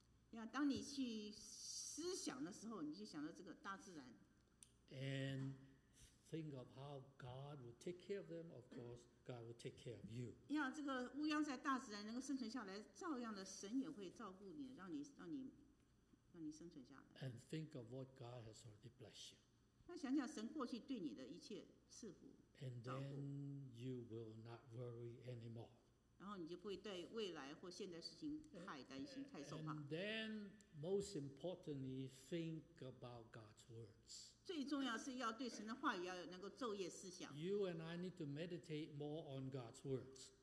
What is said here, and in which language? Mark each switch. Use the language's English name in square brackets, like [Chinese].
[Chinese] Yeah, 当你去思想的时候，你就想到这个大自然。 [English] And think of how God will take care of them. Of course, God will take care of you. [Chinese] Yeah, 这个乌鸦在大自然能够生存下来，照样的神也会照顾你，让你生存下来。 [English] And think of what God has already blessed you. [Chinese] 那想想神过去对你的一切赐福。 [English] And then you will not worry anymore. [Chinese] 然后你就不会对未来或现在事情太担心、太受怕。 [English] And then, most importantly, think about God's words. [Chinese] 最重要是要对神的话语要能够昼夜思想。 [English] You and I need to meditate more on God's words.